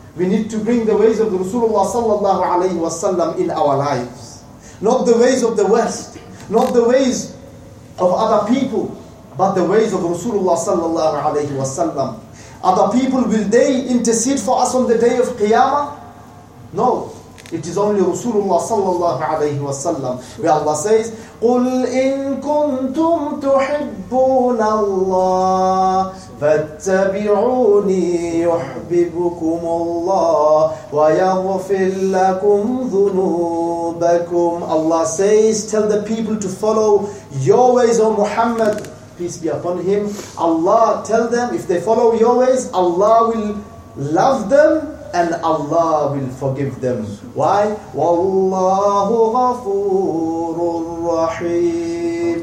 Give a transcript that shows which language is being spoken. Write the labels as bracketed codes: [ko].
[en] We need to bring the ways of Rasulullah sallallahu alayhi wa sallam in our lives. Not the ways of the West, not the ways of other people, but the ways of Rasulullah sallallahu alayhi wa sallam. Other people, will they intercede for us on the day of Qiyamah? No. It is only Rasulullah sallallahu alayhi wa sallam. [ar] Where Allah says, قُلْ إِن كُنْتُمْ تُحِبُّونَ اللَّهِ فَاتَّبِعُونِي يُحْبِبُكُمُ اللَّهِ وَيَغْفِرْ لَكُمْ ذُنُوبَكُمْ. [en] Allah says, tell the people to follow your ways, O Muhammad, peace be upon him. Allah, tell them, if they follow your ways, Allah will love them and Allah will forgive them. Why? [ar] Wallahu ghafurur rahim.